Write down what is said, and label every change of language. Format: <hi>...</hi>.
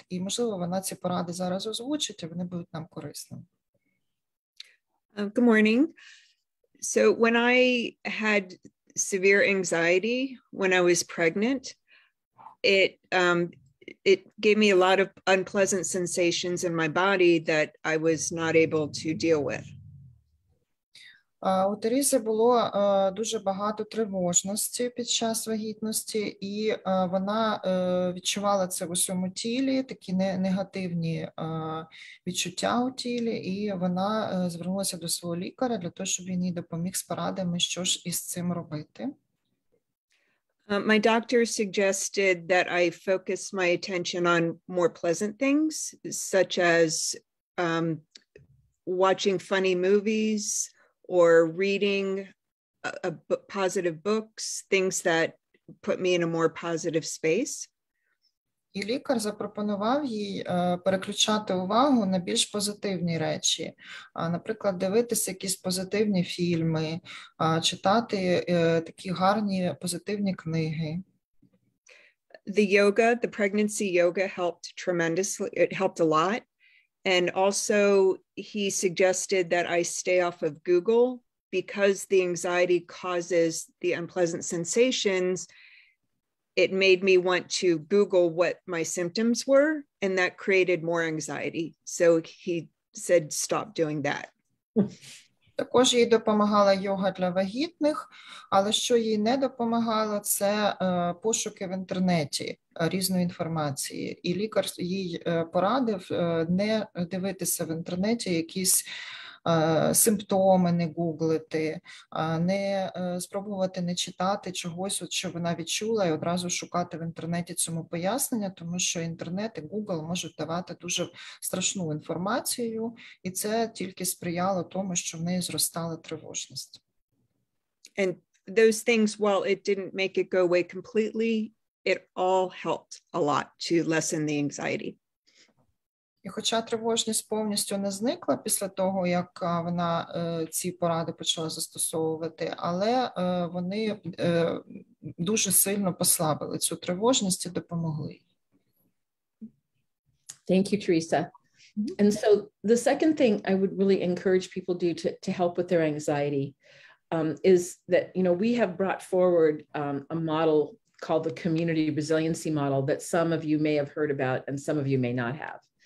<uk>І, можливо, вона ці поради зараз озвучить, і вони будуть нам корисні.</uk> <en>Good morning. So when I had severe anxiety when I was pregnant, it gave me a lot of unpleasant sensations in my body that I was not able to deal with.</en> <uk>У Терезі було дуже багато тривожності під час вагітності, і вона відчувала це в усьому тілі, такі негативні відчуття у тілі, і вона звернулася до свого лікаря для того, щоб він їй допоміг з порадами, що ж із цим робити.</uk> <en>My doctor suggested that I focus my attention on more pleasant things, such as watching funny movies, or reading positive books, things that put me in a more positive space.</en> <uk>І лікар запропонував їй переключати увагу на більш позитивні речі, наприклад, дивитися якісь позитивні фільми, читати такі гарні позитивні книги.</uk> <en>The yoga, the pregnancy yoga helped tremendously, it helped a lot. And also he suggested that I stay off of Google because the anxiety causes the unpleasant sensations. It made me want to Google what my symptoms were, and that created more anxiety. So he said, stop doing that.</en> <uk>Також їй допомагала йога для вагітних, але що їй не допомагало, це пошуки в інтернеті різної інформації. І лікар їй порадив не дивитися в інтернеті якісь симптоми, не гуглити, не спробувати не читати чогось, що вона відчула, і одразу шукати в інтернеті цьому пояснення, тому що інтернет і Google можуть давати дуже страшну інформацію, і це тільки сприяло тому, що в неї зростала тривожність.</uk> <en>And those things, while it didn't make it go away completely, it all helped a lot to lessen the anxiety.</en> <uk>І хоча тривожність повністю не зникла після того, як вона ці поради почала застосовувати, але вони дуже сильно послабили цю тривожність і допомогли.</uk> <en>Thank you, Teresa. Mm-hmm. And so the second thing I would really encourage people do to help with their anxiety is that, you know, we have brought forward a model called the community resiliency model that some of you may have heard about and some of you may not have.</en>